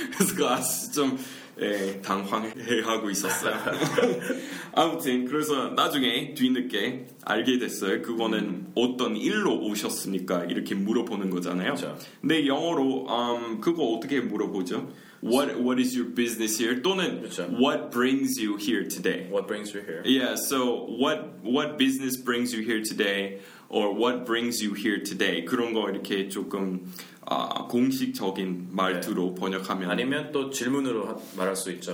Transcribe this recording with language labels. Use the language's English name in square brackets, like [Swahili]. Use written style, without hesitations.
[Korean] 그래서 그 아저씨 좀 당황해하고 있었어요. 아무튼 그래서 나중에 뒤늦게 알게 됐어요. 그거는 어떤 일로 오셨습니까? 이렇게 물어보는 거잖아요. 근데 영어로 그거 어떻게 물어보죠? [English] What is your business here? [Korean] 또는 그쵸. [English] What brings you here today? What brings you here? Yeah, so what business brings you here today? Or what brings you here today? [Korean] 그런 거 이렇게 조금 공식적인 말투로 네. 번역하면 아니면 또 질문으로 말할 수 있죠.